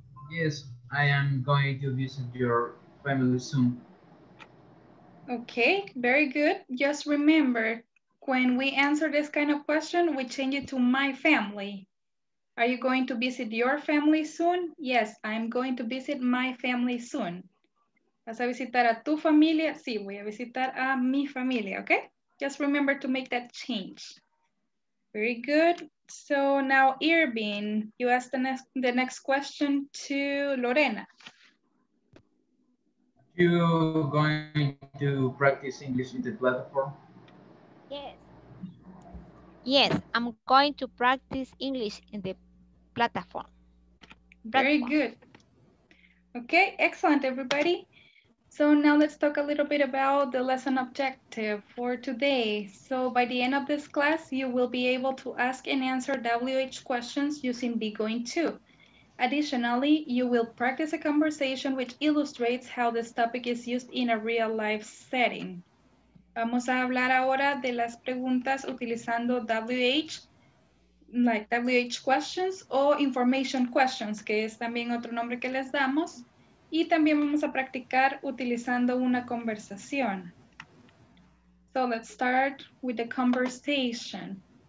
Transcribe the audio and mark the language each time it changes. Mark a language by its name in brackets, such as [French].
[English] Yes, I am going to visit your family soon. Okay, very good. Just remember, when we answer this kind of question, we change it to my family. Are you going to visit your family soon? Yes, I'm going to visit my family soon. [Spanish] ¿Vas a visitar a tu familia? Sí, voy a visitar a mi familia, okay? [English] Just remember to make that change. Very good. So now, Irvin, you ask the next question to Lorena. Are you going to practice English in the platform? Yes. Yes, I'm going to practice English in the platform. Very good. Okay, excellent, everybody. So now let's talk a little bit about the lesson objective for today. So by the end of this class, you will be able to ask and answer WH questions using be going to. Additionally, you will practice a conversation which illustrates how this topic is used in a real life setting. [Spanish] Vamos a hablar ahora de las preguntas utilizando WH, [English] like WH questions [Spanish] o [English] information questions, [Spanish] que es también otro nombre que les damos. Y también vamos a practicar utilizando una conversación. [English] So let's start with the conversation.